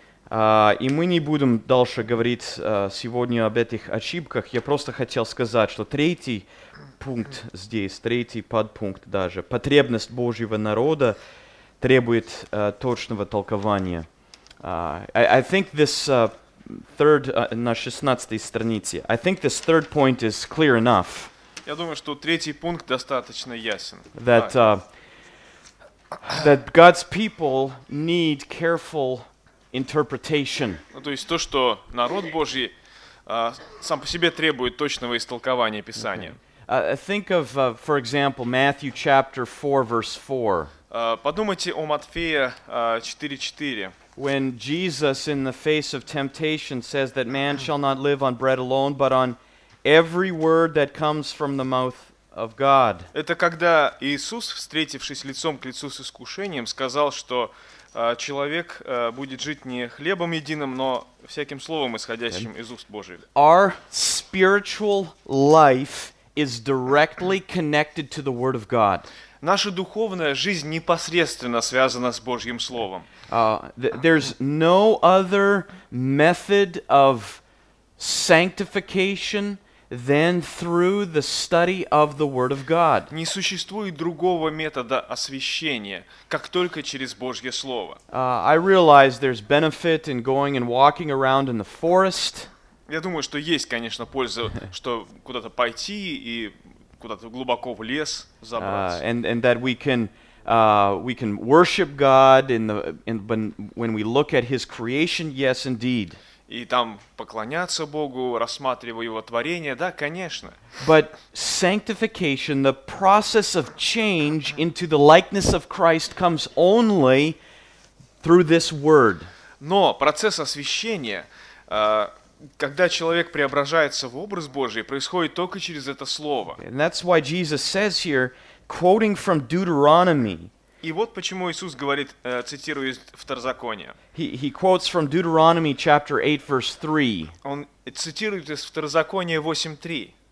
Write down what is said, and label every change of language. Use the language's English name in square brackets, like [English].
[Russian] И мы не будем дальше говорить сегодня об этих ошибках. Я просто хотел сказать, что третий пункт здесь, третий подпункт даже, потребность Божьего народа требует точного толкования. На 16-й странице. [English] I think this third point is clear enough. [Russian] Я думаю, что третий пункт достаточно ясен. [English] That God's people need careful interpretation. [Russian] Ну, то есть то, что народ Божий сам по себе требует точного истолкования Писания. [English] Okay. For example, Matthew chapter 4, verse 4. [Russian] Подумайте о Матфея 4:4. [English] When Jesus, in the face of temptation, says that man shall not live on bread alone, but on every word that comes from the mouth of God. [Russian] Это когда Иисус, встретившись лицом к лицу с искушением, сказал, что человек будет жить не хлебом единым, но всяким словом, исходящим из уст Божьих. [English] Our spiritual life is directly connected to the Word of God. [Russian] Наша духовная жизнь непосредственно связана с Божьим Словом. [English] There's no other method of sanctification than through the study of the Word of God. [Russian] Не существует другого метода освящения, как только через Божье Слово. [English] I realize there's benefit in going and walking around in the forest. [Russian] Я думаю, что есть, конечно, польза, что куда-то пойти и куда-то глубоко в лес забраться. [English] And that we can worship God when we look at His creation. Yes, indeed. [Russian] И там поклоняться Богу, рассматривая Его творение, да, конечно. [English] But sanctification, the process of change into the likeness of Christ, comes only through this Word. [Russian] Но процесс освящения, когда человек преображается в образ Божий, происходит только через это Слово. [English] And that's why Jesus says here, quoting from Deuteronomy. [Russian] И вот почему Иисус говорит, цитируя из Второзакония. [English] He quotes from Deuteronomy chapter 8, verse 3. [Russian] Он цитирует из Второзакония 8:3.